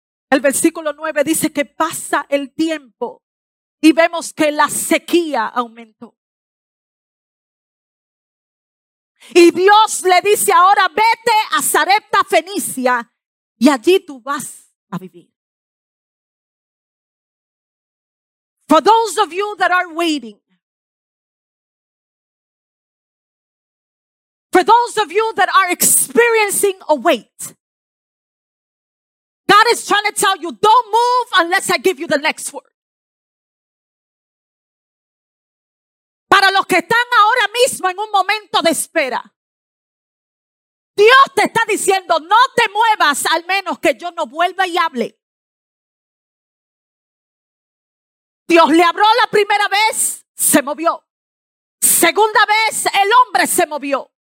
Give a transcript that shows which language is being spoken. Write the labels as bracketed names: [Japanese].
[Spanish] El versículo 9 dice que pasa el tiempo y vemos que la sequía aumentó. Y Dios le dice ahora, vete a Sarepta Fenicia y allí tú vas a vivir. [English] For those of you that are waiting, for those of you that are experiencing a wait, God is trying to tell you, don't move unless I give you the next word. [Spanish] Para los que están ahora mismo en un momento de espera, Dios te está diciendo, no te muevas al menos que yo no vuelva y hable. Dios le habló la primera vez, se movió. Segunda vez, el hombre se movió.